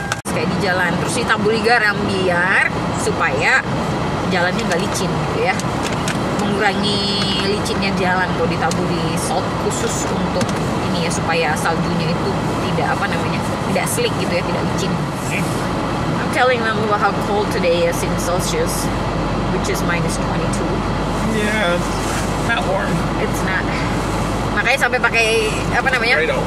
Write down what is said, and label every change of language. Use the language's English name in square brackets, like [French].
[Indonesian] Kayak di jalan, terus ditaburi garam biar supaya jalannya nggak licin gitu ya, mengurangi licinnya jalan. Kalau ditaburi salt khusus untuk ini ya, supaya saljunya itu tidak apa namanya, tidak slick gitu ya, tidak licin. [English] I'm telling them about how cold today is in Celsius, which is minus 22. Yeah, not warm. It's not. [Indonesian] Makanya sampai pakai apa namanya?